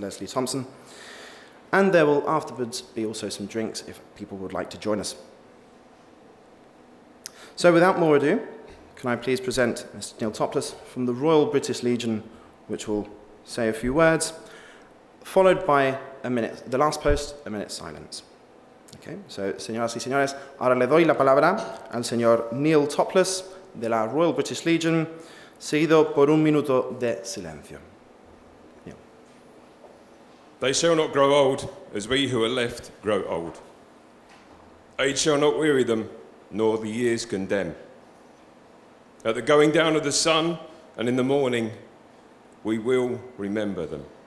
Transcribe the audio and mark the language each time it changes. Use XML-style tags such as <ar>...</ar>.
<en>Leslie Thompson, and there will afterwards be also some drinks if people would like to join us. So without more ado, can I please present Mr. Neil Toplis from the Royal British Legion, which will say a few words, followed by a minute's silence. Okay, so</en> <es>señoras y señores, ahora le doy la palabra al señor Neil Toplis de la Royal British Legion, seguido por un minuto de silencio.</es> <en>They shall not grow old as we who are left grow old. Age shall not weary them, nor the years condemn. At the going down of the sun and in the morning, we will remember them.</en>